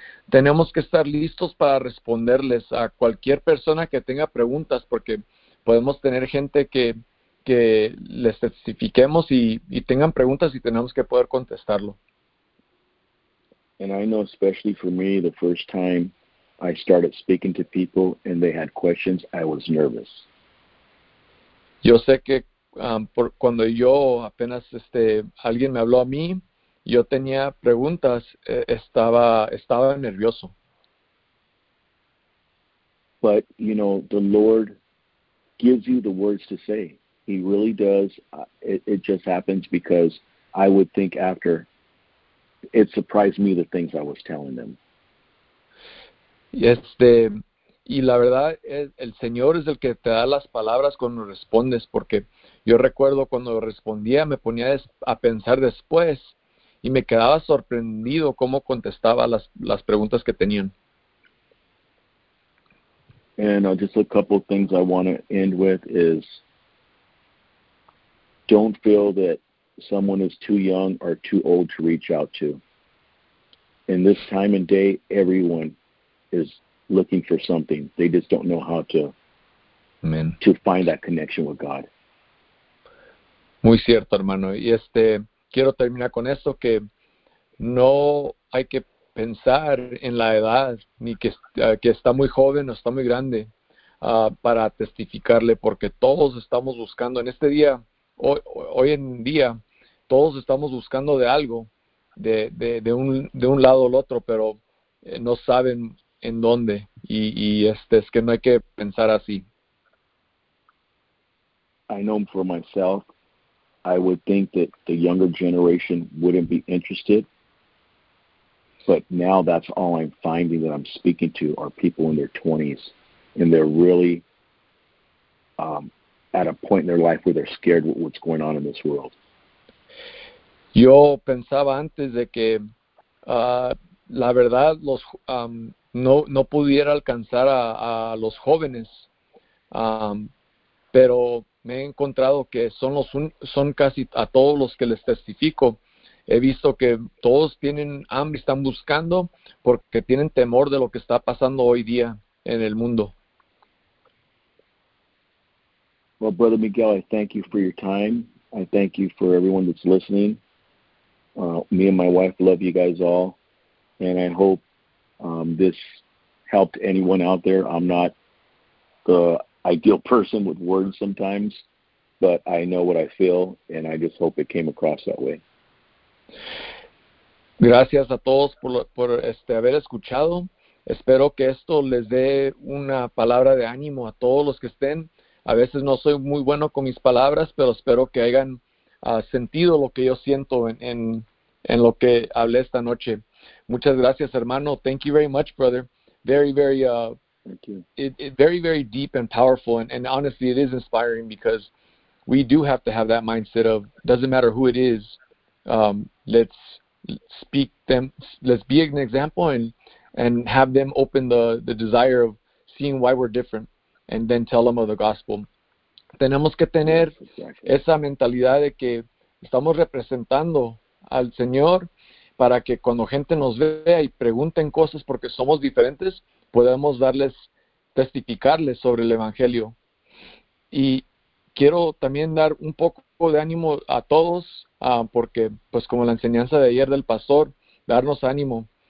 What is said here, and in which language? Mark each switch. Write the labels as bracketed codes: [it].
[es] Tenemos que estar listos para responderles a cualquier persona que tenga preguntas, porque podemos tener gente que les testifiquemos y tengan preguntas y tenemos que poder contestarlo. [en] And I know, especially for me, the first time I started speaking to people and they had questions, I was nervous. [es] Yo sé que por cuando yo apenas alguien me habló a mí, yo tenía preguntas, estaba nervioso. [en] But, the Lord gives you the words to say. He really does. It just happens because I would think after. It surprised me the things I was telling them. [es] Y la verdad, el Señor es el que te da las palabras cuando respondes, porque yo recuerdo cuando respondía, me ponía a pensar después y me quedaba sorprendido cómo contestaba las preguntas que tenían. [en] And just a couple of things I want to end with is don't feel that someone is too young or too old to reach out to. In this time and day, everyone is looking for something. They just don't know how [es] Amén. [en] to find that connection with God. [es] Muy cierto, hermano. Y quiero terminar con esto, que no hay que pensar en la edad, ni que está muy joven o está muy grande, para testificarle, porque todos estamos buscando en este día, hoy en día, todos estamos buscando de algo, de un lado al otro, pero no saben en dónde. Y es que no hay que pensar así. [en] I know for myself, I would think that the younger generation wouldn't be interested, but now that's all I'm finding that I'm speaking to are people in their 20s, and they're really at a point in their life where they're scared of what's going on in this world. [es] Yo pensaba antes de que la verdad los no pudiera alcanzar a los jóvenes, pero me he encontrado que son casi a todos los que les testifico. He visto que todos tienen hambre, están buscando porque tienen temor de lo que está pasando hoy día en el mundo. [en] Well, Brother Miguel, I thank you for your time. I thank you for everyone that's listening. Me and my wife love you guys all, and I hope this helped anyone out there. I'm not the ideal person with words sometimes, but I know what I feel, and I just hope it came across that way. [es] Gracias a todos por haber escuchado. Espero que esto les dé una palabra de ánimo a todos los que estén. A veces no soy muy bueno con mis palabras, pero espero que hayan sentido lo que yo siento en lo que hablé esta noche. Muchas gracias, hermano. [en] Thank you very much, brother. Very, very, Thank you. Very, very deep and powerful. And honestly, it is inspiring because we do have to have that mindset of doesn't matter who it is. Let's be an example and and have them open the desire of seeing why we're different, and then tell them of the gospel. [es] Tenemos que tener esa mentalidad de que estamos representando al Señor para que cuando gente nos vea y pregunten cosas porque somos diferentes, podamos darles, testificarles sobre el Evangelio. Y quiero también dar un poco de ánimo a todos, porque pues como la enseñanza de ayer del pastor, darnos ánimo.